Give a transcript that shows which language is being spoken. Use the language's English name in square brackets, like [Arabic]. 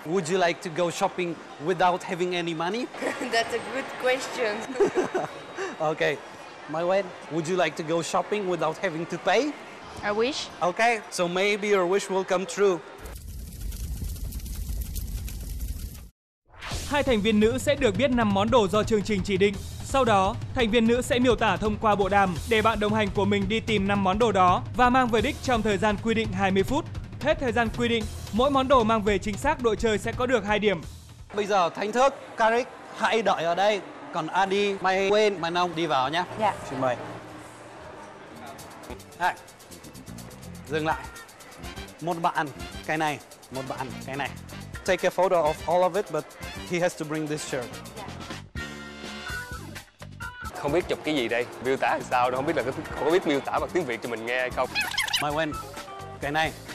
[English] Would you like to go shopping without having any money? That's a good question. Okay, my wife, would you like to go shopping without having to pay? I wish. Okay, so maybe your wish will come true. [Vietnamese] Hai thành viên nữ sẽ được biết 5 món đồ do chương trình chỉ định. Sau đó, thành viên nữ sẽ miêu tả thông qua bộ đàm để bạn đồng hành của mình đi tìm 5 món đồ đó và mang về đích trong thời gian quy định 20 phút. Hết thời gian quy định, mỗi món đồ mang về chính xác đội chơi sẽ có được 2 điểm. Bây giờ Thanh Thức, Karik hãy đợi ở đây. Còn Adi, mày quên, mày nông đi vào nhé. Dạ. Xin mời. Hai. Dừng lại. Một bạn cái này, một bạn cái này. [English] Take a photo of all of it, but he has to bring this shirt. [Vietnamese] Không biết chụp cái gì đây, miêu tả làm sao đâu, không biết là có biết miêu tả bằng tiếng Việt cho mình nghe hay không. Mày quên, cái này.